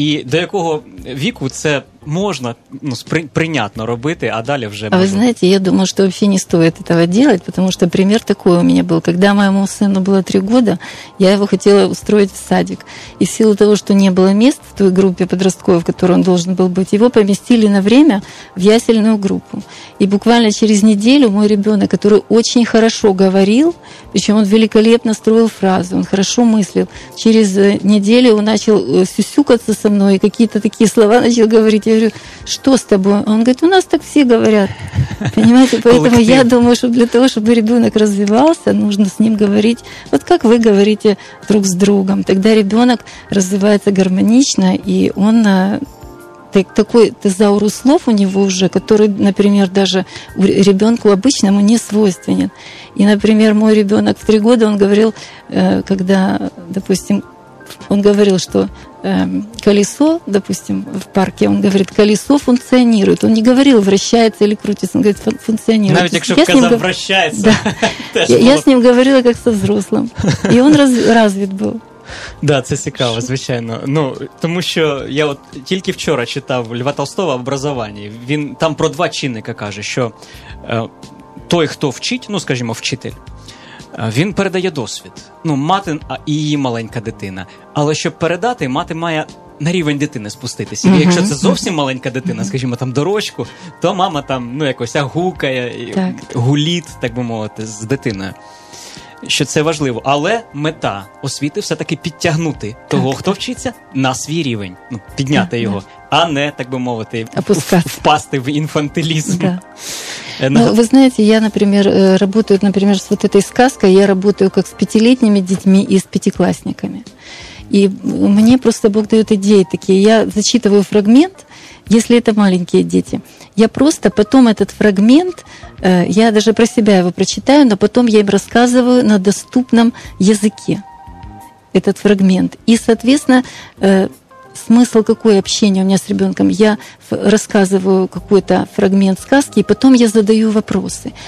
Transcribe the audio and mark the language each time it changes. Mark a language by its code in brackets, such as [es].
[uk] І до якого віку це можна, ну, прийнятно робити, а далі вже. А ви знаєте, я думаю, що взагалі не стоїть цього робити, тому що примір такий у мене був. Коли моєму сину було 3 роки, я його хотіла устроїти в садик. І в силу того, що не було місць в той групі підростків, в якій він должен був бути, його помістили на время в ясельну группу. [ru] И буквально через неделю мой ребенок, который очень хорошо говорил, причем он великолепно строил фразы, он хорошо мыслил, через неделю он начал сюсюкаться со мной, какие-то такие слова начал говорить. Я говорю: что с тобой? Он говорит: у нас так все говорят. Понимаете? Поэтому я думаю, что для того, чтобы ребенок развивался, нужно с ним говорить, вот как вы говорите друг с другом. Тогда ребенок развивается гармонично, и он такой тезаурус слов у него уже, который, например, даже ребенку обычному не свойственен. И, например, мой ребенок в 3 года, он говорил, когда, допустим, он говорил, что колесо, допустим, в парке, он говорит, колесо функционирует. Он не говорил, вращается или крутится, он говорит, функционирует. [uk] Навіть якщо казав, вращается. [ru] Да. Я с ним говорила, как со взрослым. И он развит был. [uk] Да, це цікаво, звичайно. Ну, тому що я от тільки вчора читав Льва Толстого «Образовані». Він там про два чинника каже, що той, хто вчить, ну, скажімо, вчитель, він передає досвід. Ну, мати і її маленька дитина. Але щоб передати, мати має на рівень дитини спуститися. І якщо це зовсім маленька дитина, скажімо, там дорожку, то мама там, ну, якось агукає, так, гуліт, так би мовити, з дитиною. Що це важливо, але мета освіти все-таки підтягнути того, хто вчиться, на свій рівень, ну, підняти його, а не, так би мовити, впасти в інфантилізм. [ru] Да. [uk] Ну, ви знаєте, я, наприклад, працюю, наприклад, з [ru] вот этой сказкой, [uk] я працюю як з 5-літніми дітьми і з 5-класниками. І мені просто Бог дає ідеї такі. Я зачитую фрагмент, якщо це маленькі діти. [ru] Я просто потом этот фрагмент, я даже про себя его прочитаю, но потом я им рассказываю на доступном языке этот фрагмент. И, соответственно, смысл какой общения у меня с ребенком? Я рассказываю какой-то фрагмент сказки, и потом я задаю вопросы.